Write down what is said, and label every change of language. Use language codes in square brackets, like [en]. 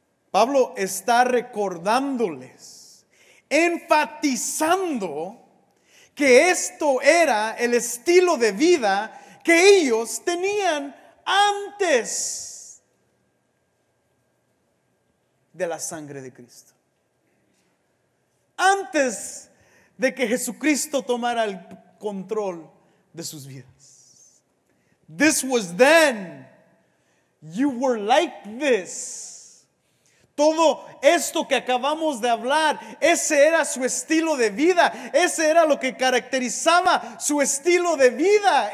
[es] Pablo está recordándoles, enfatizando que esto era el estilo de vida que ellos tenían antes de la sangre de Cristo. Antes de que Jesucristo tomara el control de sus vidas. [en] This was then. You were like this. [es] Todo esto que acabamos de hablar, ese era su estilo de vida. Ese era lo que caracterizaba su estilo de vida.